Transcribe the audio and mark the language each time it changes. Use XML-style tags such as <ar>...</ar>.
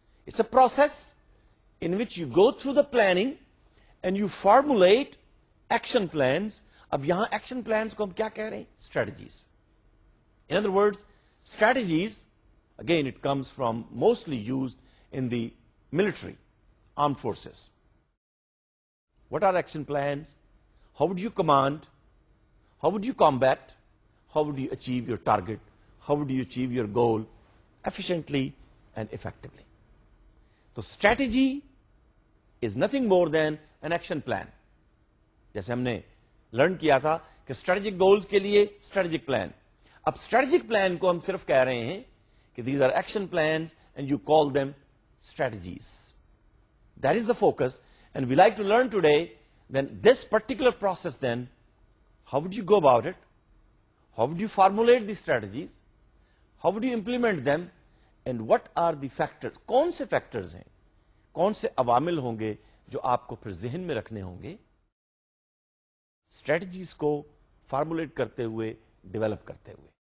<en>It's a process in which you go through the planning and you formulate action plans.</en> <ur>اب یہاں action plans کو ہم کیا کہہ رہے ہیں؟ Strategies.</ur> <en>In other words, strategies, again, it comes from mostly used in the military, armed forces. What are action plans? How would you command? How would you combat? How would you achieve your target? How would you achieve your goal efficiently and effectively? So strategy is nothing more than an action plan.</en> <ur>Jaise humne learn کیا تھا کہ strategic goals کے لیے strategic plan. اب strategic plan کو ہم صرف کہہ رہے ہیں کہ</ur> <en>These are action plans and you call them strategies. That is the focus and we like to learn today then this particular process. Then how would you go about it, how would you formulate the strategies, how would you implement them, and what are the factors,</en> <ur>کون سے factors ہیں, کون سے عوامل ہوں گے جو آپ کو پھر ذہن میں رکھنے ہوں گے اسٹریٹجیز کو فارمولیٹ کرتے ہوئے, ڈیولپ کرتے ہوئے.</ur>